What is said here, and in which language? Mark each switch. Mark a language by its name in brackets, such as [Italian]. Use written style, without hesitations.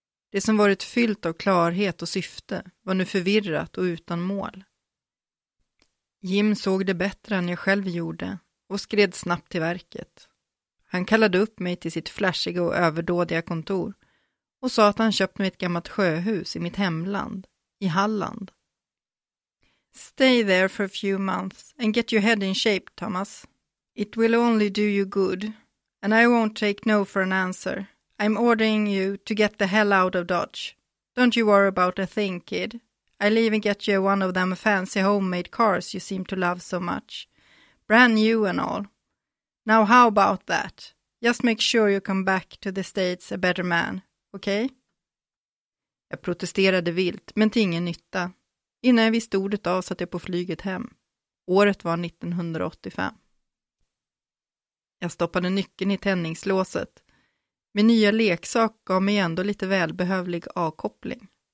[Swedish] Det som varit fyllt av klarhet och syfte var nu förvirrat och utan mål. Jim såg det bättre än jag själv gjorde och skred snabbt till verket. Han kallade upp mig till sitt flashiga och överdådiga kontor och sa att han köpt mig ett gammalt sjöhus i mitt hemland, i Halland. [English] Stay there for a few months and get your head in shape, Thomas. It will only do you good and I won't take no for an answer. I'm ordering you to get the hell out of Dodge. Don't you worry about a thing, kid. I'll even get you one of them fancy homemade cars you seem to love so much. Brand new and all. Now how about that? Just make sure you come back to the States a better man, okay? [Swedish] Jag protesterade vilt, men till ingen nytta. Innan jag visste ordet av satt jag på flyget hem. Året var 1985. Jag stoppade nyckeln i tändningslåset. Min nya leksak gav mig ändå lite välbehövlig avkoppling.